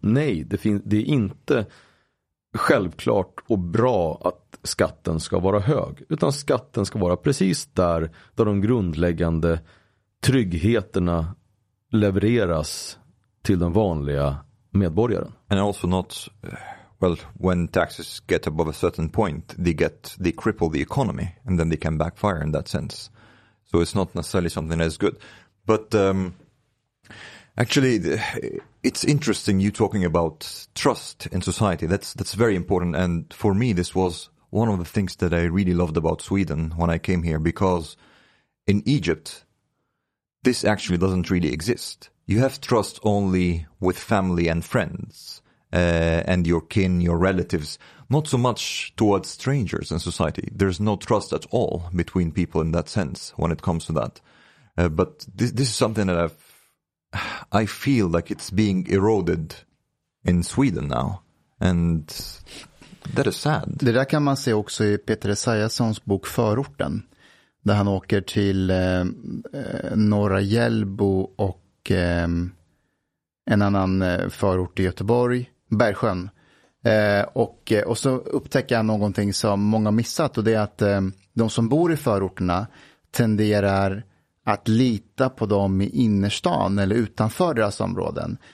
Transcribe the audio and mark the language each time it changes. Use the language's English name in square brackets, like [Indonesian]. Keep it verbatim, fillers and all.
[Swedish] Nej, det, fin- det är inte självklart och bra att skatten ska vara hög. Utan skatten ska vara precis där, där de grundläggande tryggheterna levereras till den vanliga medborgaren. [English] And also not well, when taxes get above a certain point, they get they cripple the economy, and then they can backfire in that sense. So it's not necessarily something that's good. But um, actually, it's interesting you talking about trust in society. That's that's very important. And for me, this was one of the things that I really loved about Sweden when I came here, because in Egypt, this actually doesn't really exist. You have trust only with family and friends uh, and your kin, your relatives, not so much towards strangers in society. There's no trust at all between people in that sense when it comes to that. Uh, but this, this is something that I've, I feel like it's being eroded in Sweden now. And that is sad. [Swedish] Det där kan man se också i Peter Esaiassons bok Förorten, där han åker till eh, norra Hjällbo och en annan förort i Göteborg, Bergsjön. Och, och så upptäcker jag någonting som många missat, och det är att de som bor i förorterna tenderar att lita på dem i innerstan eller utanför deras områden.